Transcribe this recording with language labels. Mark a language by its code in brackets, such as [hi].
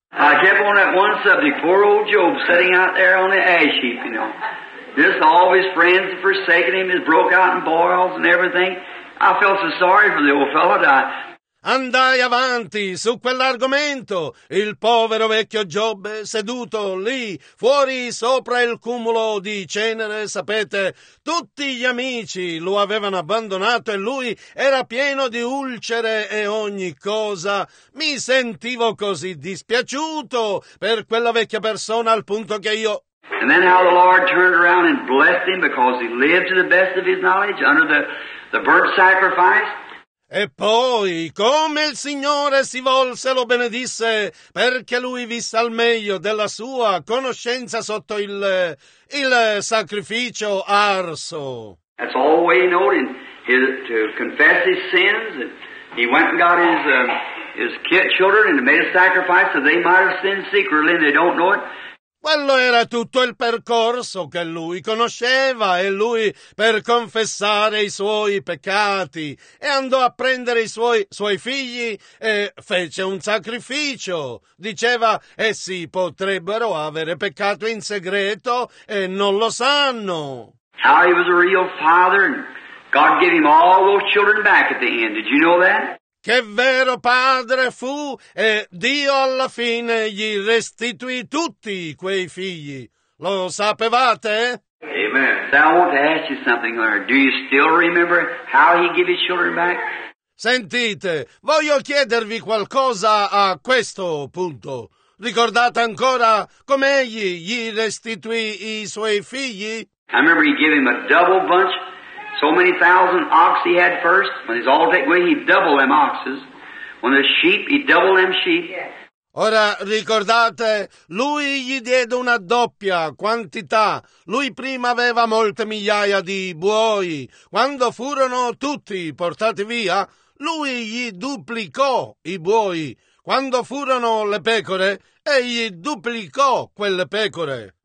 [en] I kept on that one subject, poor old Job sitting out there on the ash heap, you know. Just all of his friends have forsaken him, he's broke out in boils and everything. I felt so sorry for the old fellow that I... [it] Andai avanti su quell'argomento, il povero vecchio Giobbe seduto lì, fuori sopra il cumulo di cenere, sapete, tutti gli amici lo avevano abbandonato e lui era pieno di ulcere e ogni cosa. Mi sentivo così dispiaciuto per quella vecchia persona al punto che io... [en] And then how the Lord turned around and blessed him because he lived to the best of his knowledge under the burnt sacrifice. [it] E poi, come il Signore si volse, lo benedisse, perché lui visse al meglio della sua conoscenza sotto il sacrificio arso. [en] That's all the way he knew, to confess his sins. He went and got his children and made a sacrifice so they might have sinned secretly and they don't know it. [it] Quello era tutto il percorso che lui conosceva e lui per confessare i suoi peccati e andò a prendere i suoi figli e fece un sacrificio. Diceva, essi potrebbero avere peccato in segreto e non lo sanno. [en] How he was a real father and God gave him all those children back at the end. Did you know that? [it] Che vero padre fu e Dio alla fine gli restituì tutti quei figli. Lo sapevate? [en] Amen. So I want to ask you something, Leonard. Do you still remember how he gave his children back? [it] Sentite, voglio chiedervi qualcosa a questo punto. Ricordate ancora come egli gli restituì i suoi figli? [en] I remember he gave him a double bunch. So many thousand ox he had first, when he's all taken away, he doubled them oxes. When the sheep, he doubled them sheep. [it] Ora ricordate, lui gli diede una doppia quantità. Lui prima aveva molte migliaia di buoi. Quando furono tutti portati via, lui gli duplicò i buoi. Quando furono le pecore, egli duplicò quelle pecore.